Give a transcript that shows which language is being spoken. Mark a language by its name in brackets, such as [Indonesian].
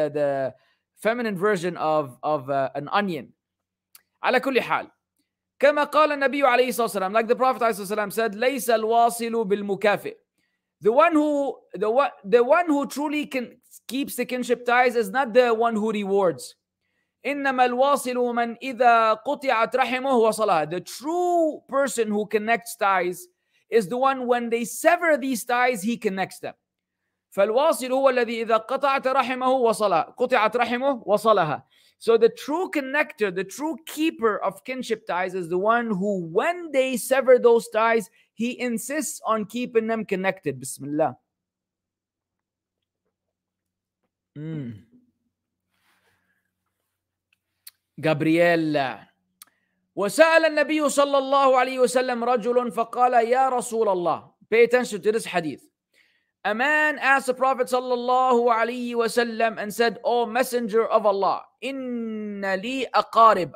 [English] It's the feminine version of an onion. [Arabic] على كل حال كما قال النبي عليه الصلاة والسلام, [English] like the Prophet عليه الصلاة والسلام said, [Arabic] ليس الواصل بالمكافئ. [English] The one who truly can keeps the kinship ties is not the one who rewards. [Arabic] إِنَّمَا الْوَاصِلُ مَنْ إِذَا قُطِعَتْ رَحِمُهُ وَصَلَهَا. [English] The true person who connects ties is the one when they sever these ties, he connects them. [Arabic] فَالْوَاصِلُ هُوَ الَّذِي إِذَا قَطَعَتْ رَحِمَهُ وَصَلَهَا. قُطِعَتْ رَحِمُهُ وَصَلَهَا. [English] So the true connector, the true keeper of kinship ties is the one who when they sever those ties, he insists on keeping them connected. [Arabic] Bismillah. غابرييل. وسأل النبي صلى الله عليه وسلم رجل فقال يا رسول الله. [English] Pay attention to this hadith. A man asked the Prophet صلى الله عليه وسلم and said, O Messenger of Allah, [Arabic] إن لي أقارب.